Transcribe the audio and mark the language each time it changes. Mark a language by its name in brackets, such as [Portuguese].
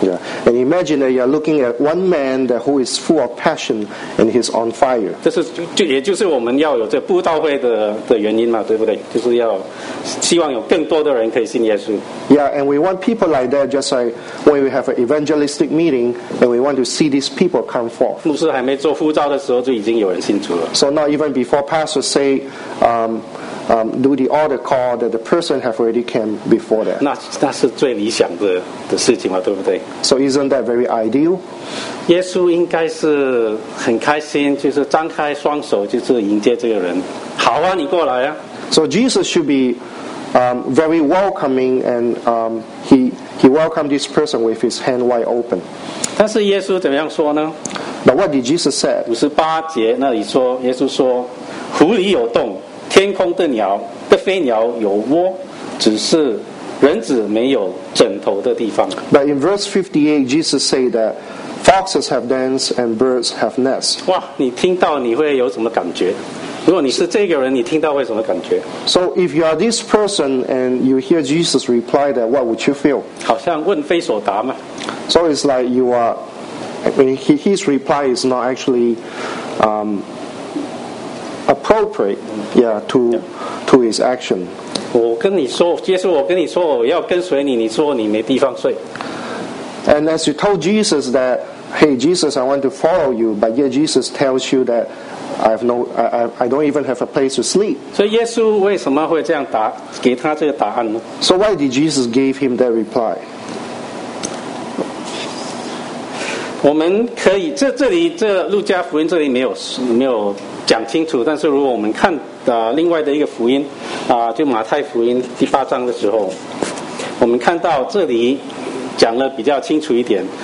[English] Yeah. And imagine that you are looking at one man that who is full of passion and he's on fire. [Chinese] 这是就也就是我们要有这布道会的原因嘛，对不对？就是要希望有更多的人可以信耶稣。 [English] Yeah, and we want people like that, just like when we have an evangelistic meeting, and we want to see these people come forth. [Chinese] 牧师还没做呼召的时候，就已经有人信主了。 [English] So not even before pastor say, do the altar call that the person have already came before that. [Chinese] 那是最理想的事情嘛，对不对？ [English] So isn't that very ideal? [Chinese] 耶稣应该是很开心，就是张开双手，就是迎接这个人。好啊，你过来啊。 [English] So Jesus should be very welcoming, and he welcomed this person with his hand wide open. [Chinese] 但是耶稣怎么样说呢？ [English] But what did Jesus say? [Chinese] 58节那里说，耶稣说，狐狸有洞。天空的鸟的飞鸟有窝，只是人子没有枕头的地方。 [English] But in verse 58 Jesus said that foxes have dens and birds have nests. [Chinese] 哇，你听到你会有什么感觉？如果你是这个人，你听到会什么感觉？ [English] So if you are this person and you hear Jesus reply that, what would you feel? [Chinese] 好像问非所答嘛。 [English] So it's like you are, I mean, his reply is not actually appropriate, yeah, to his action. [Chinese] 我跟你说，耶稣，我跟你说，我要跟随你。你说你没地方睡。 [English] And as you told Jesus that, hey, Jesus, I want to follow you, but yet Jesus tells you that I don't even have a place to sleep. [Chinese] 所以耶稣为什么会这样答给他这个答案呢？ [English] So why did Jesus give him that reply? [Chinese] 我们可以这里这路加福音这里没有。讲清楚，但是如果我们看另外的一个福音就马太福音第八章的时候，我们看到这里讲了比较清楚一点。